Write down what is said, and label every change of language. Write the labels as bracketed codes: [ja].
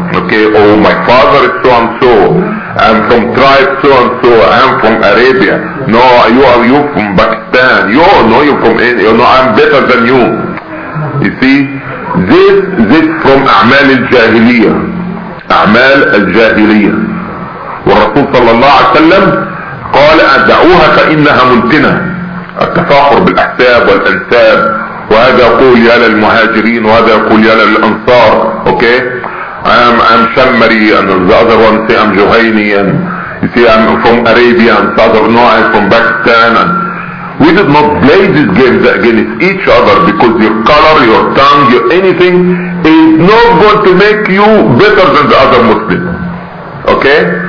[en] Okay, oh, my father is so and so. I'm from tribe so and so. I'm from Arabia. No, you from Pakistan. You all know you're from India. You know, I'm better than you. You see, this from [ar] أعمال الجاهلية. أعمال الجاهلية. والرسول صلى الله عليه وسلم قال أدعوها فإنها منتنة. التفاخر بالأحساب والأنساب, وهذا يقول يا للمهاجرين وهذا يقول يا للأنصار. [en] Okay, I'm Shammari and the other one say I'm Juhayni and You see, I'm from Arabia and Southern Norway, from Pakistan, and we did not play these games against each other, because your color, your tongue, your anything is not going to make you better than the other Muslim. Okay?